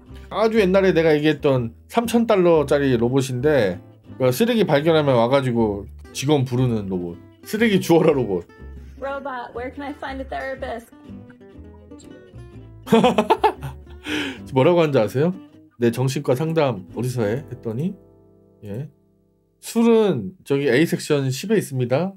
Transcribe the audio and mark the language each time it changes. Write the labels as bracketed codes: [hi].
[ko] 아주 옛날에 내가 얘기했던 $3,000짜리 로봇인데 쓰레기 발견하면 와가지고 직원 부르는 로봇. 쓰레기 주워라 로봇. [en] Robot, where can I find a therapist? [ko] 뭐라고 하는지 아세요? 내 정신과 상담 어디서 해? 했더니 예. 술은 저기 A섹션 10에 있습니다.